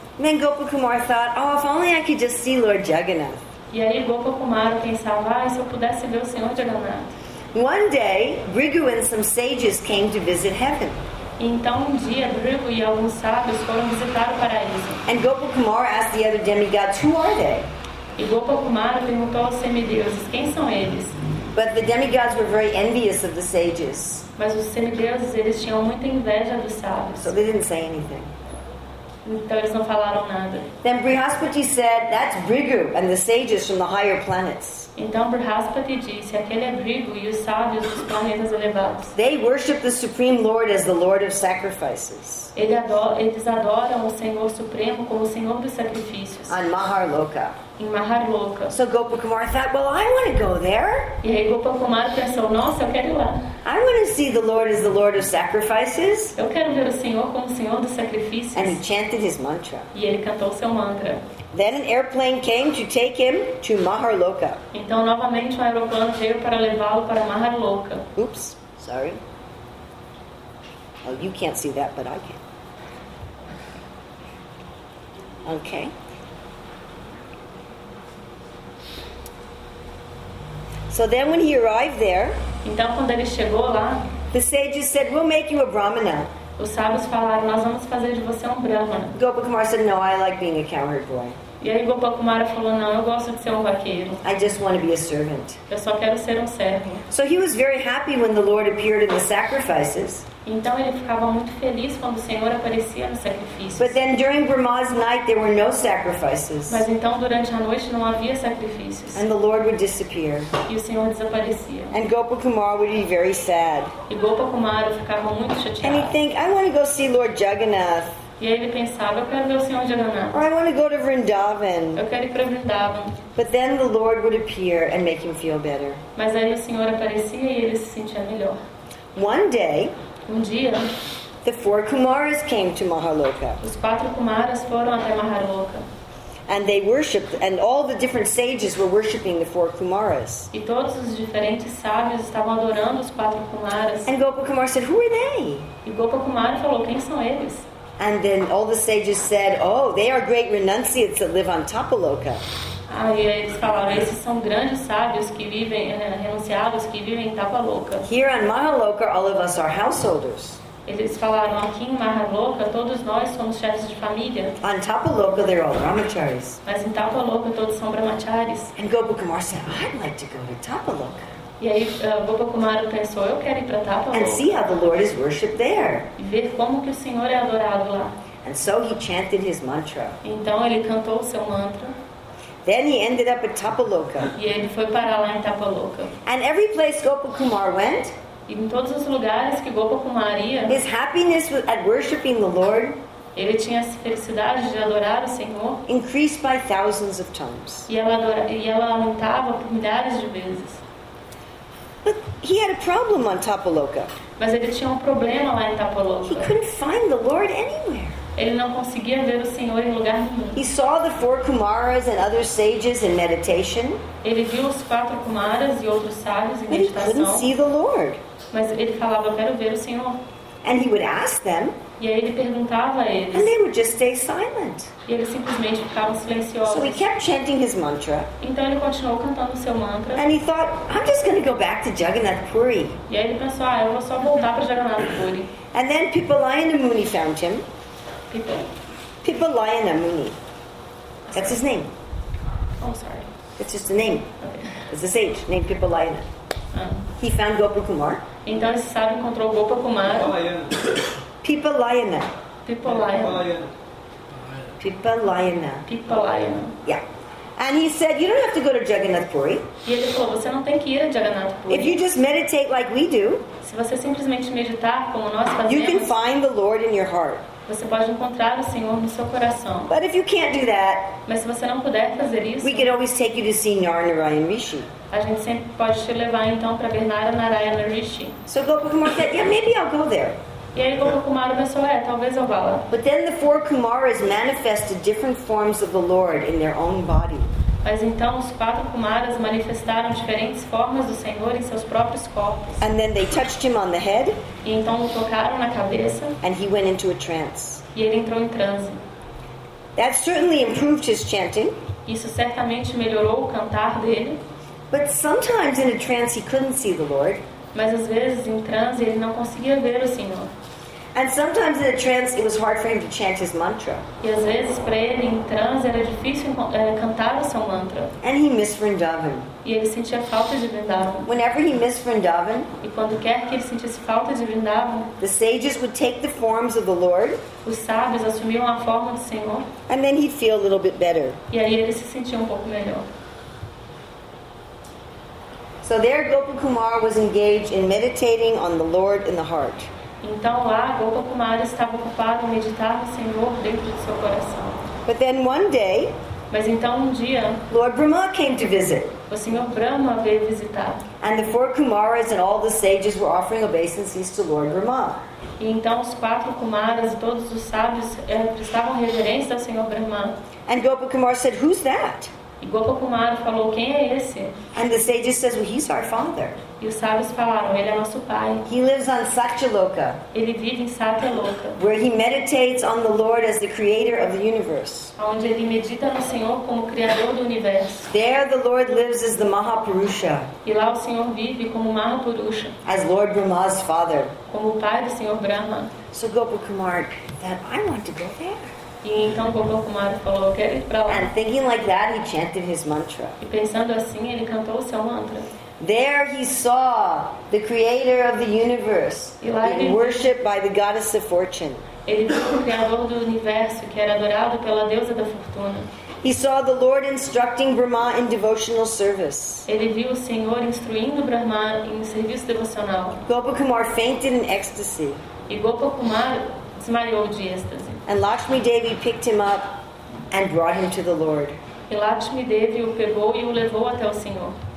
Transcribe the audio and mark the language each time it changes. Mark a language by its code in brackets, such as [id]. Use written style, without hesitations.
[en] Then Gopakumara thought, oh, if only I could just see Lord Jagannath. [pt] E aí Gopakumara pensava, ah, se eu pudesse ver o Senhor Jagannath. [en] One day, Bhrigu and some sages came to visit heaven. [pt] Então um dia, Bhrigu e alguns sábios foram visitar o paraíso. [en] And Gopakumara asked the other demigods, who are they? [pt] E Gopakumara perguntou aos semideuses, quem são eles? [en] But the demigods were very envious of the sages. [pt] Mas os semideuses, eles tinham muita inveja dos sábios. [en] So they didn't say anything. [pt] Então eles não falaram nada. [en] Then Brihaspati said, that's Bhrigu and the sages from the higher planets. [pt] Então Brihaspati disse, aquele é Bhrigu e os sábios dos planetas elevados. [en] They worship the Supreme Lord as the Lord of sacrifices. [pt] Eles adoram o Senhor Supremo como o Senhor dos sacrifícios. [en] On Maharloka. [pt] Em Maharloka. [en] So Gopakumara thought, well, I want to go there. [pt] E aí Gopakumara pensou, nossa, eu quero ir lá. [en] I want to see the Lord as the Lord of sacrifices. [pt] Eu quero ver o Senhor como o Senhor dos sacrifícios. [en] And he chanted his mantra. [pt] E ele cantou seu mantra. [en] Then an airplane came to take him to Maharloka. [pt] Então novamente um aeroplano veio para levá-lo para Maharloka. [en] Oops, sorry. Oh, you can't see that, but I can. Okay. So then when he arrived there, [pt] então, quando ele chegou lá, [en] the sages said, we'll make you a Brahmana. [pt] Os sábios falaram, nós vamos fazer de você um Brahmana. [en] Gopakumara said, no, I like being a cowherd boy. [pt] E aí Gopakumara falou, não, eu gosto de ser um vaqueiro. [en] I just want to be a servant. [pt] Eu só quero ser um servo. [en] So he was very happy when the Lord appeared in the sacrifices. [pt] Então ele ficava muito feliz quando o Senhor aparecia nos sacrifícios. [en] But then during Brahma's night there were no sacrifices. [pt] Mas então durante a noite não havia sacrifícios. [en] And the Lord would disappear. [pt] E o Senhor desaparecia. [en] And Gopakumara would be very sad. [pt] E Gopakumara ficava muito chateado. [en] And he'd think, I want to go see Lord Jagannath. [pt] E aí ele pensava, eu quero ver o Senhor Jagannath. [en] Or I want to go to Vrindavan. [pt] Eu quero ir para Vrindavan. [en] But then the Lord would appear and make him feel better. [pt] Mas aí o Senhor aparecia e ele se sentia melhor. [en] One day, [pt] um dia, [en] the four Kumaras came to Maharloka. [pt] Os quatro Kumaras foram até Maharloka. [en] And they worshipped, and all the different sages were worshipping the four Kumaras. [pt] E todos os diferentes sábios estavam adorando os quatro Kumaras. [en] And Gopakumara said, "Who are they?" [pt] E Gopakumara falou, "Quem são eles?" [en] And then all the sages said, "Oh, they are great renunciates that live on Tapaloka." [pt] Aí eles falaram, esses são grandes sábios que vivem, renunciados, que vivem em Tapaloka. [en] Here on Mahaloka, all of us are householders. [pt] Eles falaram, aqui em Mahaloka, todos nós somos chefes de família. [en] On Tapaloka, they're all brahmacharis. [pt] Mas em Tapaloka, todos são brahmacharis. [en] And Gopakumara said, "I'd like to go to Tapaloka." [pt] E aí Gopakumara pensou, eu quero ir para Tapaloka. [en] And see how the Lord is worshipped there. [pt] E ver como que o Senhor é adorado lá. [en] And so he chanted his mantra. [pt] Então ele cantou o seu mantra. [en] Then he ended up at Tapaloka. [pt] E ele foi para lá em Tapaloka. [en] And every place Gopakumara went, [pt] em todos os lugares que Gopakumara ia, [en] his happiness at worshiping the Lord, [pt] ele tinha a felicidade de adorar o Senhor, [en] increased by thousands of times. [pt] E ela aumentava por milhares de vezes. [en] But he had a problem on Tapaloka. [pt] Mas ele tinha problema lá em Tapaloka. [en] He couldn't find the Lord anywhere. [pt] Ele não conseguia ver o Senhor em lugar nenhum. [en] He saw the four Kumaras and other sages in meditation. [pt] Ele viu os quatro Kumaras e outros sábios em meditação. [en] But he couldn't see the Lord. [pt] Mas ele falava, quero ver o Senhor. [en] And he would ask them. [pt] E aí ele perguntava a eles. [en] And they would just stay silent. [pt] E eles simplesmente ficavam silenciosos. [en] So he kept chanting his mantra. [pt] Então ele continuou cantando o seu mantra. [en] And he thought, I'm just going to go back to Jagannath Puri. [pt] E aí ele pensou, ah, eu vou só voltar para Jagannath Puri. [en] And then Pipalayana Muni found him. [pt] Pipalayana [en] Muni. That's his name. Oh, sorry. It's just a name. Okay. It's a sage named Pipalayana. He found Gopakumara. [pt] Então esse sábio encontrou Gopakumara. Pipalayana. Pipalayana. Pipalayana. Pipalayana. [en] Yeah. And he said, "You don't have to go to Jagannath Puri." [pt] E ele falou, "Você não tem que ir a Jagannath Puri." [en] If you just meditate like we do, [pt] se você simplesmente meditar como nós fazemos, [en] you can find the Lord in your heart. [pt] Você pode encontrar o Senhor no seu coração. [en] But if you can't do that, [pt] mas se você não puder fazer isso, [en] we can always take you to see Narayan Rishi. [pt] A gente sempre pode te levar então para Bernara Narayana Rishi. [en] So Gopakumara said, "Yeah, maybe I'll go there." [pt] E aí Gopakumara pensou, é, talvez eu vá lá. [en] But then the four Kumaras manifested different forms of the Lord in their own body. [pt] Mas então os quatro Kumaras manifestaram diferentes formas do Senhor em seus próprios corpos. [en] And then they touched him on the head. [pt] E então o tocaram na cabeça. [en] And he went into a trance. [pt] E ele entrou em transe. [en] That certainly improved his chanting. [pt] Isso certamente melhorou o cantar dele. [en] But sometimes in a trance he couldn't see the Lord. [pt] Mas às vezes em transe ele não conseguia ver o Senhor. [en] And sometimes in a trance it was hard for him to chant his mantra. [pt] E às vezes para ele em transe era difícil cantar o seu mantra. [en] And he missed Vrindavan. [pt] E ele sentia falta de Vrindavan. [en] Whenever he missed Vrindavan, [pt] e quando quer que ele sentisse falta de Vrindavan, [en] the sages would take the forms of the Lord. [pt] Os sábios assumiam a forma do Senhor. [en] And then he'd feel a little bit better. [pt] E aí ele se sentia pouco melhor. [en] So there Gopakumara was engaged in meditating on the Lord in the heart. [pt] Então lá Gopakumara estava ocupado em meditar no Senhor dentro do seu coração. [en] But then one day, [pt] mas então um dia, [en] Lord Brahma came to visit. [pt] O Senhor Brahma veio visitar. [en] And the four Kumaras and all the sages were offering obeisances to Lord Brahma. [pt] E então os quatro Kumaras e todos os sábios prestavam reverência ao Senhor Brahma. [en] And Gopakumara said, "Who's that?" [pt] E Gopakumara falou, quem é esse? [en] And the sages says, "Well, he's our father." [pt] E os sábios falaram, ele é nosso pai. [en] He lives on Satyaloka. [pt] Ele vive em Satyaloka. [en] Where he meditates on the Lord as the creator of the universe. [pt] Onde ele medita no Senhor como criador do universo. [en] There the Lord lives as the Mahapurusha. [pt] E lá o Senhor vive como Mahapurusha. [en] As Lord Brahma's father. [pt] Como o pai do Senhor Brahma. [en] So Gopakumara, that I want to go there. [pt] E então Gopakumara falou, eu quero ir para lá. [en] And thinking like that, he chanted his mantra. [pt] E pensando assim, ele cantou o seu mantra. [en] There he saw the creator of the universe being worshipped by the goddess of fortune. [pt] Ele viu o criador do universo que era adorado pela deusa da fortuna. [en] He saw the Lord instructing Brahma in devotional service. [pt] Ele viu o Senhor instruindo Brahma em serviço devocional. [en] Gopakumara fainted in ecstasy. [pt] E Gopakumara desmaiou de êxtase. [en] And Lakshmi Devi picked him up and brought him to the Lord. [pt] E Lakshmi Devi o pegou e o levou até o Senhor.